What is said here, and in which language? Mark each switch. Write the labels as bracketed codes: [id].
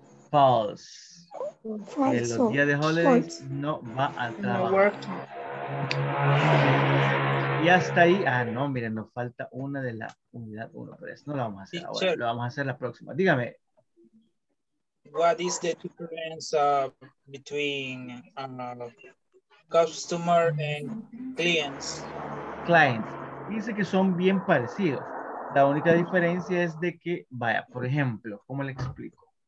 [en] False. [es] En los días de holidays no va a trabajar. Y hasta ahí, no, miren, nos falta una de la unidad 1, pero eso no lo vamos a hacer ahora, lo vamos a hacer la próxima. Dígame. [en] What is the difference between customer and clients? [es] Clients. Dice que son bien parecidos. La única diferencia es de que, vaya, por ejemplo, ¿cómo le explico?